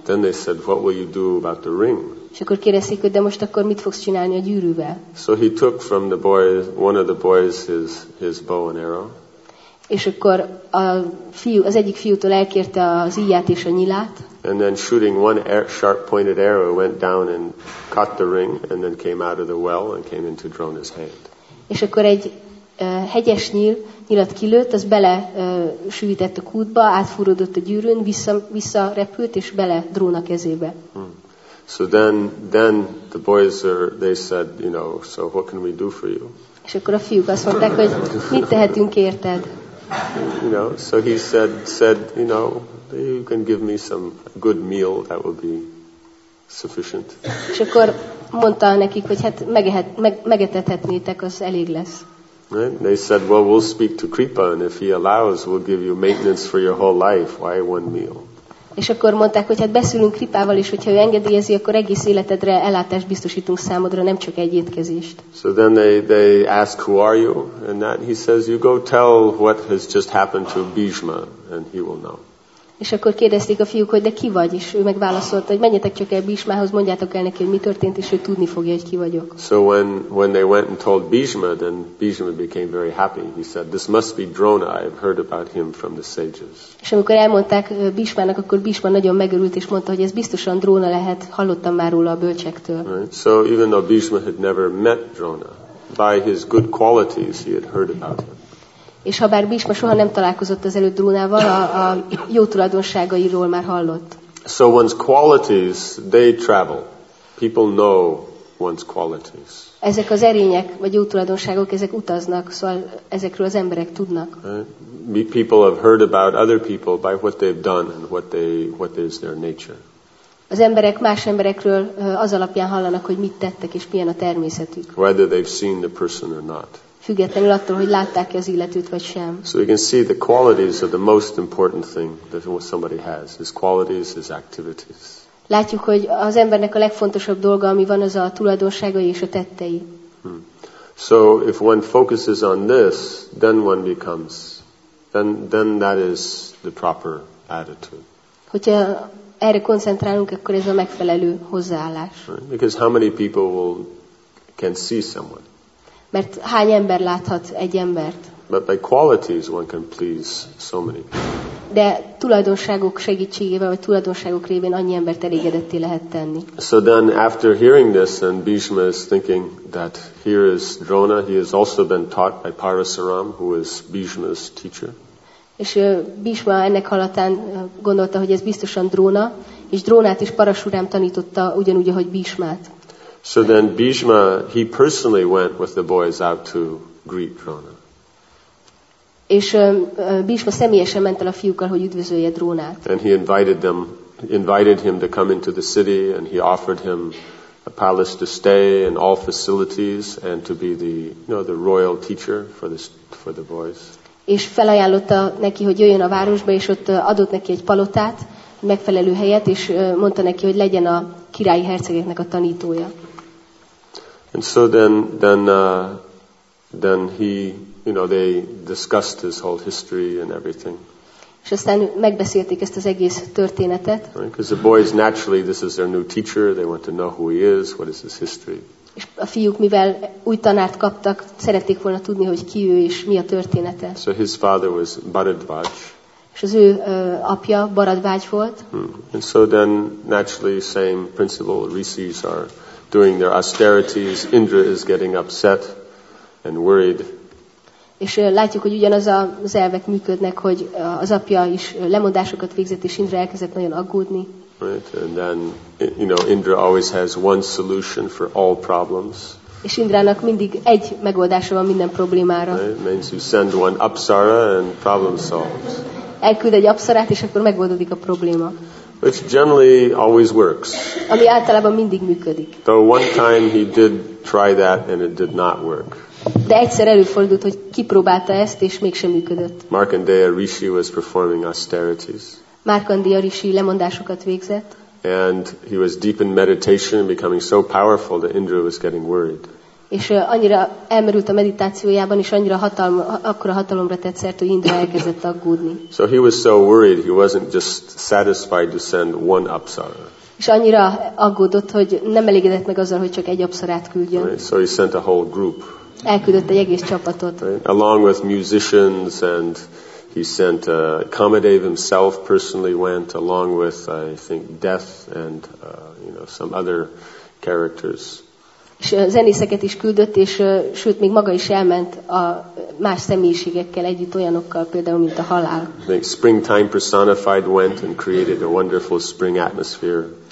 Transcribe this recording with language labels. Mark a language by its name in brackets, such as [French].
[English] Then they said, what will you do about the ring? [Hungarian] És akkor kérdezték, hogy de most akkor mit fogsz csinálni a gyűrűvel? [English] So he took from the boy, one of the boys, his bow and arrow. [Hungarian] És akkor az egyik fiútól elkérte az íját és a nyilát. [English] And then shooting one sharp pointed arrow went down and caught the ring and then came out of the well and came into Drona's hand. [Hungarian] És akkor egy hegyes nyilat kilőtt, az bele sűvített a kútba, átfúródott a gyűrűn, visszarepült és bele dróna kezébe. [English] So then the boys are, they said, you know, so what can we do for you? [Hungarian] És akkor a fiúk azt mondták, hogy mit tehetünk érted? [English] You know, so he said, you know, you can give me some good meal, that will be sufficient. [Hungarian] És akkor mondta nekik, hogy hát megetethetnétek, az elég lesz. [English] Right? They said, well, we'll speak to Kripa, and if he allows, we'll give you maintenance for your whole life. Why one meal? [Hungarian] És akkor mondták, hogy hát beszélünk Kripával is, hogyha ő engedélyezi, akkor egész életedre ellátást biztosítunk számodra, nem csak egy étkezést. [English] So then they ask, who are you? And that he says, you go tell what has just happened to Bhishma, and he will know. [Hungarian] És akkor kérdezték a fiúk, hogy de ki vagy? És ő megválaszolta, hogy menjetek csak el Bhishmához, mondjátok el neki, hogy mi történt, és ő tudni fogja, hogy ki vagyok. [English] So when they went and told Bhishma, then Bhishma became very happy. He said, this must be Drona, I've heard about him from the sages. [Hungarian] És amikor elmondták Bhishmának, akkor Bhishma nagyon megörült, és mondta, hogy ez biztosan Drona lehet, hallottam már róla a bölcsektől. [English] Right? So even though Bhishma had never met Drona, by his good qualities he had heard about him. [Hungarian] És ha bár Bhishma soha nem találkozott az előtt Drónával, a jó tulajdonságairól már hallott. [English] So one's qualities, they travel. People know one's qualities. [Hungarian] Ezek az erények, vagy jó tulajdonságok, ezek utaznak, szóval ezekről az emberek tudnak. [English] People have heard about other people by what they've done and what is their nature. [Hungarian] Az emberek más emberekről az alapján hallanak, hogy mit tettek és milyen a természetük. [English] Whether they've seen the person or not. [Hungarian] Függetlenül attól, hogy látták-e az illetőt vagy sem. [English] So you can see the qualities are the most important thing that somebody has. His qualities, his activities. [Hungarian] Látjuk, hogy az embernek a legfontosabb dolga, ami van, az a tulajdonságai és a tettei. [English] So if one focuses on this, then one becomes, then that is the proper attitude. [Hungarian] Hogyha erre koncentrálunk, akkor ez a megfelelő hozzáállás. [English] Right? Because how many people can see someone? [Hungarian] Mert hány ember láthat egy embert? [English] But by qualities one can please so many. [Hungarian] De tulajdonságok segítségével, vagy tulajdonságok révén annyi embert elégedetté lehet tenni. [English] So then after hearing this, and Bhishma is thinking that here is Drona, he has also been taught by Parasaram, who is Bhishma's teacher. [Hungarian] És Bhishma ennek hallatán gondolta, hogy ez biztosan Drona, és Drónát is Parasuram tanította ugyanúgy, ahogy Bhishmát. [English] So then Bhishma, he personally went with the boys out to greet Drona. [Hungarian] És Bhishma személyesen ment el a fiúkkal, hogy üdvözölje Drónát. [English] And he invited him to come into the city, and he offered him a palace to stay and all facilities and to be the, you know, the royal teacher for the boys. [Hungarian] És felajánlotta neki, hogy jöjjön a városba, és ott adott neki egy palotát, megfelelő helyet, és mondta neki, hogy legyen a királyi hercegeknek a tanítója. [English] And so then he, you know, they discussed his whole history and everything. [Hungarian] És aztán megbeszélték ezt az egész történetet. [English] Right? Because the boys, naturally, this is their new teacher, they want to know who he is, what is his history. [Hungarian] És a fiúk, mivel új tanárt kaptak, szerették volna tudni, hogy ki ő és mi a története. [English] So his father was Bharadvaj. [Hungarian] És az ő apja Bharadvaj volt. [English] And so then, naturally, same principle, Rishis are doing their austerities, Indra is getting upset and worried. [Hungarian] És látjuk, hogy ugyanaz az elvek működnek, hogy az apja is lemondásokat végzett, és Indra elkezdett nagyon aggódni. [English] Right, and then, you know, Indra always has one solution for all problems. [Hungarian] És Indrának mindig egy megoldása van minden problémára. [English] Right, means you send one apsara and problem solves. [Hungarian] Elküld egy apsarát, és akkor megoldódik a probléma. [English] Which generally always works. [Hungarian] Ami általában mindig működik. [English] Though one time he did try that and it did not work. [Hungarian] De egyszer előfordult, hogy kipróbálta ezt és mégsem működött. [English] Markandeya Rishi was performing austerities. [Hungarian] Markandeya Rishi lemondásokat végzett. [English] And he was deep in meditation and becoming so powerful that Indra was getting worried. [Hungarian] És annyira elmerült a meditációjában, és annyira akkora hatalomra tett szert, hogy Indra elkezdett aggódni. [English] So he was so worried, he wasn't just satisfied to send one apsara. [Hungarian] És annyira aggódott, hogy nem elégedett meg azzal, hogy csak egy apsarát küldjön. [English] Right, so he sent a whole group. [Hungarian] Elküldött egy egész csapatot. [English] Right, along with musicians, and he sent Kamadev himself personally went, along with, I think, Death and you know, some other characters. [Hungarian] És zenészeket is küldött, és sőt, még maga is elment, más személyiségekkel együtt, olyanokkal, például mint a halál. [English] The springtime personified went and created a wonderful spring atmosphere.